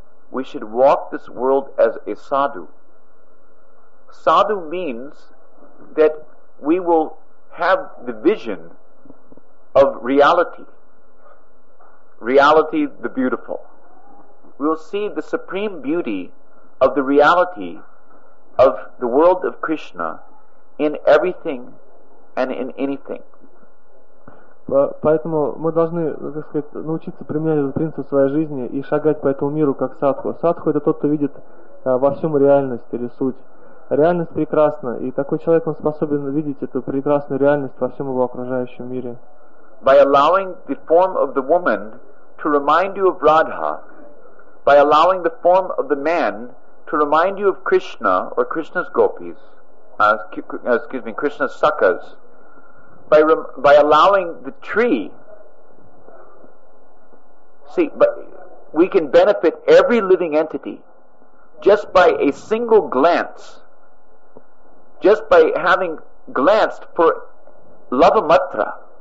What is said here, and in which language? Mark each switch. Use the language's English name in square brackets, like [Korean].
[English] We should walk this world as a sadhu. Sadhu means that we will have the vision of reality. Reality, the beautiful. We will see the supreme beauty of the reality of the world of Krishna in everything and in anything. [Russian] Поэтому мы должны, так сказать, научиться применять этот принцип в своей жизни и шагать по этому миру как садху. Садху — это тот, кто видит во всем реальность или суть. Реальность прекрасна, и такой человек, он способен видеть эту прекрасную реальность во всем его окружающем мире. [English] By allowing the form of the woman to remind you of Radha, by allowing the form of the man to remind you of Krishna or Krishna's gopis, Krishna's sakas, by allowing the tree, see, but we can benefit every living entity just by a single glance, just by having glanced for lava matra